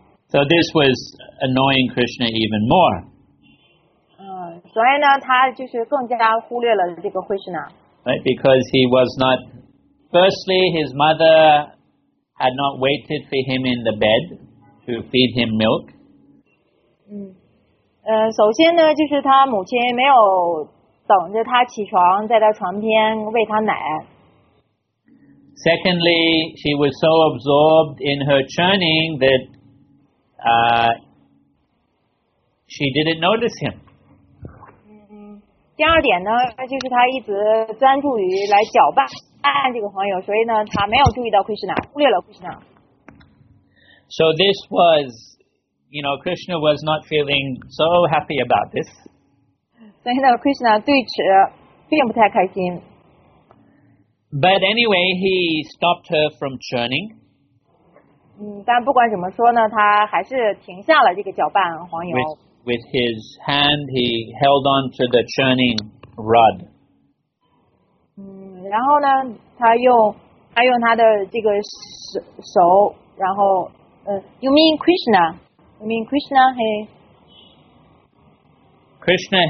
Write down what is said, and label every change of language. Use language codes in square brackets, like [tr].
[en] So this was annoying Krishna even more. [zh] 所以呢他就是更加忽略了这个 Krishna. [en] Right, because he was not. Firstly, his mother had not waited for him in the bed to feed him milk. [zh] 首先呢就是他母亲没有等着他起床在他床边喂他奶。 [en] Secondly, she was so absorbed in her churning that, she didn't notice him. [zh] 第二点呢就是他一直专注于来搅拌这个黄油所以呢他没有注意到 Krishna, 忽略了 Krishna。 [en] So this was,You know, Krishna was not feeling so happy about this. [zh] So, Krishna 对此并不太开心。 [en] But anyway, he stopped her from churning. [zh] 但不管怎么说呢，他还是停下了这个搅拌黄油。 [en] With his hand, he held on to the churning rod. [zh] 然后呢，他用他的这个手，然后 [en] you mean Krishna? I mean, Krishna